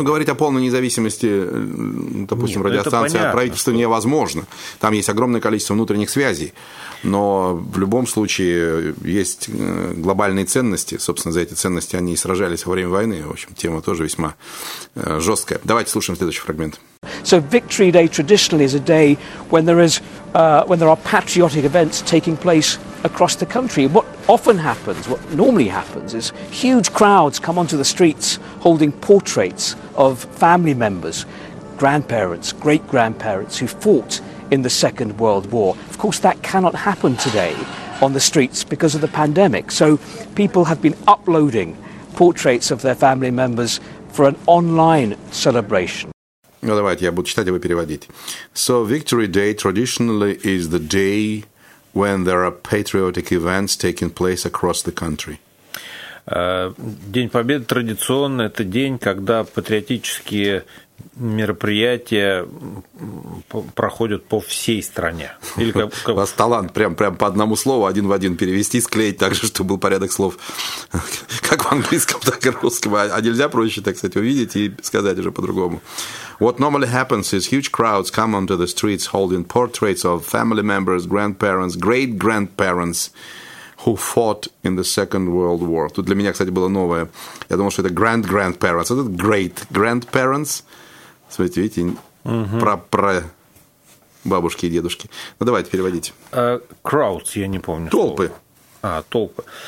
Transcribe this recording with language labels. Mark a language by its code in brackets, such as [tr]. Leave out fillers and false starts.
[ru] Ну, говорить о полной независимости, допустим, радиостанции от правительства что... невозможно. Там есть огромное количество внутренних связей. Но в любом случае есть глобальные ценности. Собственно, за эти ценности они и сражались во время войны. В общем, тема тоже весьма жесткая. Давайте слушаем следующий фрагмент. [en] So Victory Day traditionally is a day when there are patriotic events taking place across the country. What often happens, what normally happens, is huge crowds come onto the streets holding portraits of family members, grandparents, great-grandparents who fought in the Second World War. Of course, that cannot happen today on the streets because of the pandemic. So people have been uploading portraits of their family members for an online celebration. [ru] Ну, давайте, я буду читать, а вы переводите. [en] So, Victory Day traditionally is the day when there are patriotic events taking place across the country. [ru] День Победы традиционно – это день, когда патриотические мероприятия проходят по всей стране. Или как... У вас талант прям по одному слову, один в один перевести, склеить так же, чтобы был порядок слов, как в английском, так и русском. А нельзя проще, так сказать, увидеть и сказать уже по-другому. [en] What normally happens is huge crowds come onto the streets holding portraits of family members, grandparents, great-grandparents who fought in the Second World War. [ru] Тут для меня, кстати, было новое. Я думал, что это grand-grandparents. Это great-grandparents. Смотрите, видите, про бабушки и дедушки. Ну, давайте переводить. Crowds, я не помню. Толпы. Слово. А, толпы.